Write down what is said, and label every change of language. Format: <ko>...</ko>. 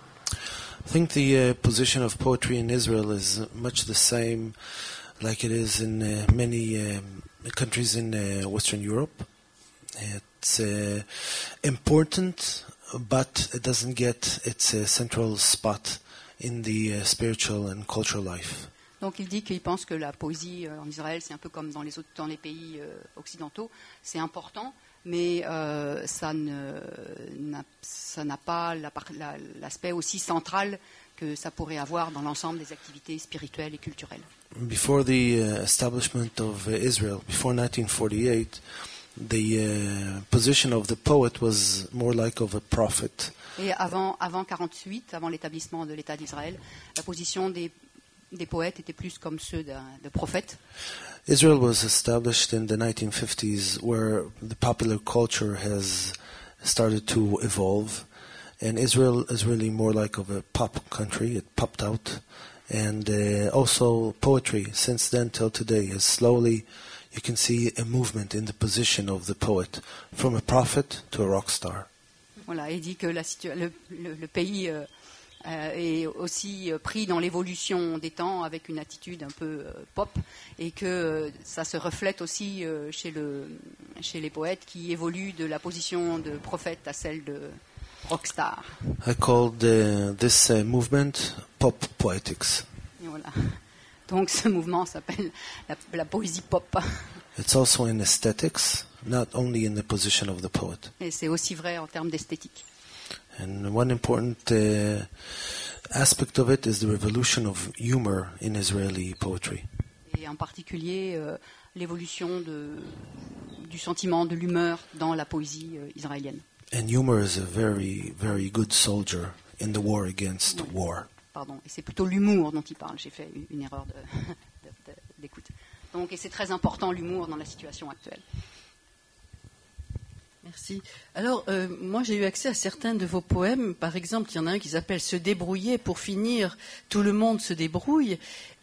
<en>I think the position of poetry in Israel is much the same like it is in many countries in Western Europe. It's important, but it doesn't get its central spot in the spiritual and cultural life.</en> <fr>Donc il dit qu'il pense que la poésie en Israël, c'est un peu comme dans les pays occidentaux, c'est important, mais ça n'a pas l'aspect aussi central que ça pourrait avoir dans l'ensemble des activités spirituelles et culturelles.</fr> <en>Before the establishment of Israel, before 1948, the position of the poet was more like of a prophet.</en> <fr>Et avant 48, avant l'établissement de l'État d'Israël, la position des poètes était plus comme ceux de prophètes.</fr> <en>Israel was established in the 1950s, where the popular culture has started to evolve, and Israel is really more like of a pop country. It popped out, and also poetry. Since then till today, has slowly, you can see a movement in the position of the poet, from a prophet to a rock star.</en> <fr>Voilà, il dit que le pays Et aussi pris dans l'évolution des temps avec une attitude un peu pop, et que ça se reflète aussi chez les poètes qui évoluent de la position de prophète à celle de rockstar.</fr> <en>I call this movement pop poetics.</en> <fr>Et voilà. Donc ce mouvement s'appelle la poésie pop.</fr> <en>It's also in aesthetics, not only in the position of the poet.</en> <fr>Et c'est aussi vrai en termes d'esthétique.</fr> <en>And one important aspect of it is the revolution of humor in Israeli poetry.</en> <fr>Et en particulier l'évolution du sentiment de l'humeur dans la poésie israélienne.</fr> <en>And humor is a very, very good soldier in the war against war.</en> <fr>Pardon, et c'est plutôt l'humour dont il parle. J'ai fait une erreur d'écoute. Donc, et c'est très important l'humour dans la situation actuelle. Merci. Alors, moi, j'ai eu accès à certains de vos poèmes. Par exemple, il y en a un qui s'appelle « Se débrouiller pour finir, tout le monde se débrouille ».</fr>